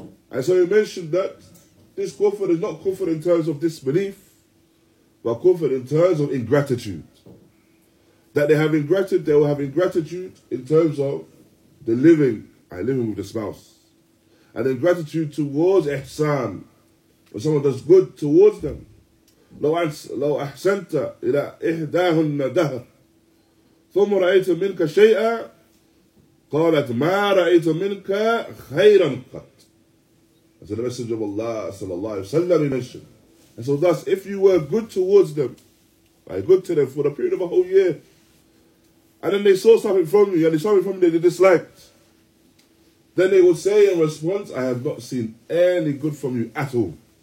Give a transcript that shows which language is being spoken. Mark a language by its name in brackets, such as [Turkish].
[English] And so he mentioned that this kufr is not kufr in terms of disbelief, but kufr in terms of ingratitude. That they have ingratitude, they will have ingratitude in terms of the living, and living with the spouse. And ingratitude towards ihsan, when someone does good towards them. [Arabic] لو أحسنت إلى إحداهن دهر ثم رأيت منك شيئا قالت ما رأيت منك خيرا قط. [English] As the Messenger of Allah sallallahu alayhi wa sallam mentioned. And so thus, if you were good towards them, like good to them for a period of a whole year, and then they saw something from you, and they saw something from you that they disliked, then they would say in response, I have not seen any good from you at all.